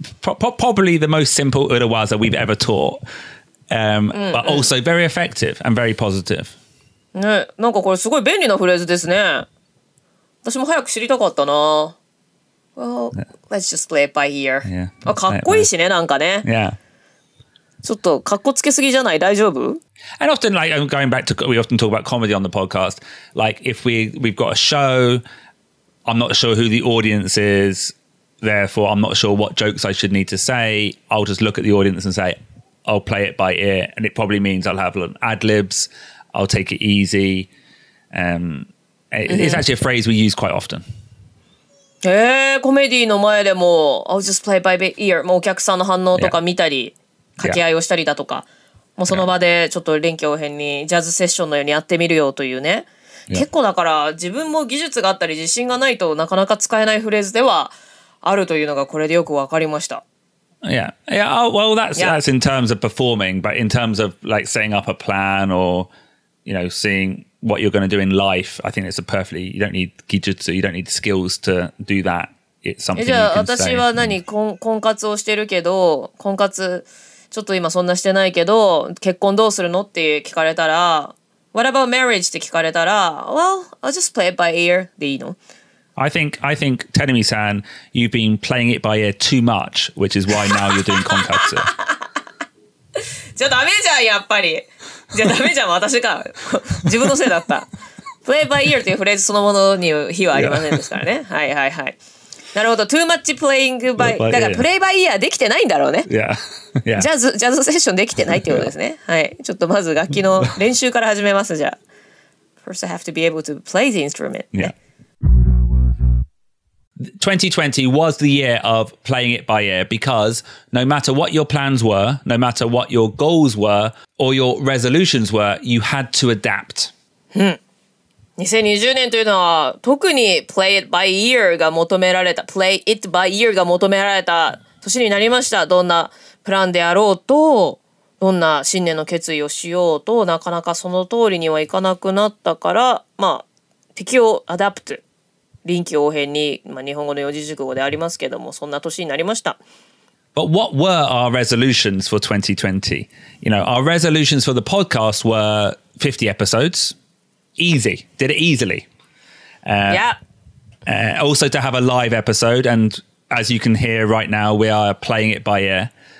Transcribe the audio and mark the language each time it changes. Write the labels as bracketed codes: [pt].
[en] Probably the most simple urawaza we've ever taught. But also very effective and very positive. [ja] ね、なんかこれすごい便利なフレーズですね。私も早く知りたかったな。 [en] Well, let's just play it by ear. Yeah, [ja] まあ、かっこいいしね、なんかね。 [en] Yeah. [ja] ちょっとカッコつけすぎじゃない？大丈夫？ [en] And often, like, I'm going back to, we often talk about comedy on the podcast. Like, if we've got a show, I'm not sure who the audience is, therefore I'm not sure what jokes I should need to say. I'll just look at the audience and say, I'll play it by ear. And it probably means I'll have ad-libs, I'll take it easy. It's actually a phrase we use quite often. [ja] コメディの前でも、 [en] I'll just play by ear. [ja] もうお客さんの反応とか見たり。 [en] Yeah. [ja] 掛け合いをしたりだとか、yeah. もうその場でちょっと臨機応変にジャズセッションのようにやってみるよというね、yeah. 結構だから自分も技術があったり自信がないとなかなか使えないフレーズではあるというのがこれでよくわかりました。 [en] Yeah, yeah.、Oh, well that's,、yeah. that's in terms of performing, but in terms of like setting up a plan or you know seeing what you're going to do in life, I think it's a perfectly, you don't need 技術 you don't need skills to do that, it's something you can say. [ja] じゃあ私は何、婚活をしてるけど婚活ちょっと今そんなしてないけど結婚どうするのって聞かれたら [en] What about marriage? [ja] って聞かれたら [en] Well, I'll just play it by ear [ja] でいいの。 [en] I think Tenumi-san, you've been playing it by ear too much, which is why now you're doing konkatsu. [ja] じゃあダメじゃん、やっぱり。じゃあダメじゃん、私が。自分のせいだった。 [en] play by ear [ja] というフレーズそのものに非はありませんですからね。はいはいはい。なるほど。 [en] too much playing by, [ja] だから [en] play by ear [ja] できてないんだろうね。 [en] Yeah. Yeah. [ja] ジャズセッションできてないってことですね。はい。ちょっとまず楽器の練習から始めます、じゃあ。 [en] first I have to be able to play the instrument. Yeah.、ね2020 was the year of playing it by ear because no matter what your plans were, no matter what your goals were, or your resolutions were, you had to adapt. [ja] 2020年というのは特に [en] play it by ear [ja] が求められた、play it by ear が求められた年になりました。どんなプランであろうと、どんな新年の決意をしようと、なかなかその通りにはいかなくなったから、まあ、適応、アダプト。臨機応変に、まあ、日本語の四字熟語でありますけども、そんな年になりました。 [en] But what were our resolutions for 2020? You know, our resolutions for the podcast were 50 episodes. Easy. Did it easily. Also to have a live episode, and as you can hear right now, we are playing it by ear.